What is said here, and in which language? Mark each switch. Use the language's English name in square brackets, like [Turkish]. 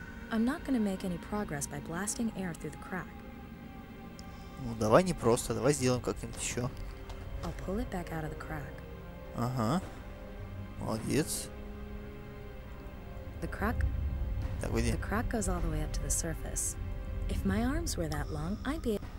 [English] I'm not gonna make any progress by blasting air through the crack. [Russian] Ну давай не просто, давай сделаем как-нибудь еще. [English] I'll pull it back out of the crack. [Russian] Ага. Молодец. [English] The crack. [Russian] Так, выйди. [English] The crack goes all the way up to the surface. If my arms were that long, I'd be.